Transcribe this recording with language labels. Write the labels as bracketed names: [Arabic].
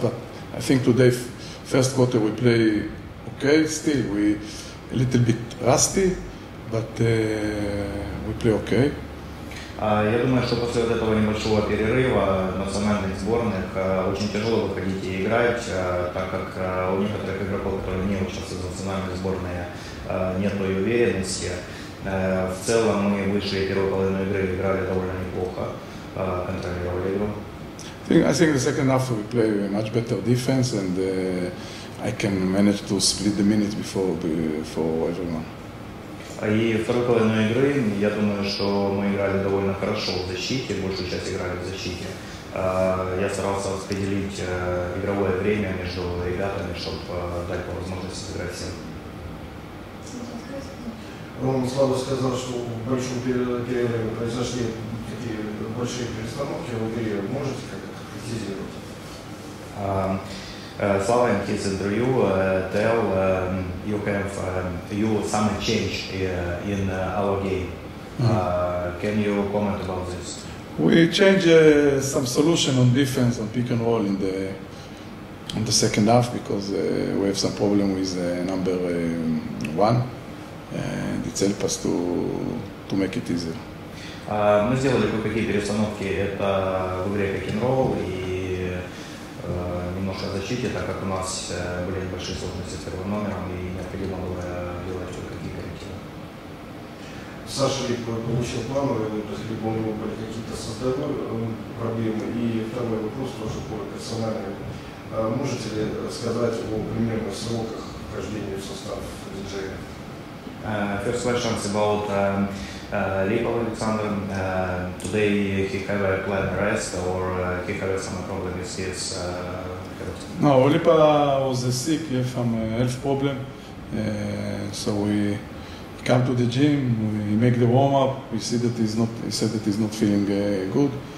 [English] But I think today, first quarter, we play okay. Still, we a little bit rusty, but we play okay. [Russian] Я думаю, что после вот этого небольшого перерыва национальных сборных очень тяжело выходить и играть, так как у некоторых игроков, которые не участвуют в национальной сборной, нет той уверенности. В целом мы вышли первую половину игры играли довольно неплохо, контролировали игру. [English] I think the second half we play much better defense and I can manage to split the minutes for everyone. [Russian] И вторую половину игры, я думаю, что мы играли довольно хорошо в защите, большую часть играли в защите. Я старался распределить игровое время между ребятами, чтобы дать по возможности сыграть всем. Ром, Слава сказал, что в большом перерыве произошли такие большие перестановки в игре. Можете как-то конкретизировать? [English] Slava, in his interview, tell you have you some change in our game. Can you comment about this? We changed some solution on defense on pick and roll in the second half because we have some problem with number one, and it helped us to make it easier. [Russian] Мы сделали какие-то перестановки. Это в игре pick and roll и немножко о защите, так как у нас были небольшие сложности с первым номером и необходимо было делать какие-то коррективы. Саша Липко получил плановый, то есть либо у него были какие-то со здоровьем проблемы. И второй вопрос тоже более персональный. Можете ли сказать о примерно сроках вхождения в состав диджея? [English] First question is about Lipo Alexander. Today he have a planned rest or he have some problem with his No, Lipo was sick, he had some health problem. So we come to the gym, we make the warm-up, we see that he said that he's not feeling good.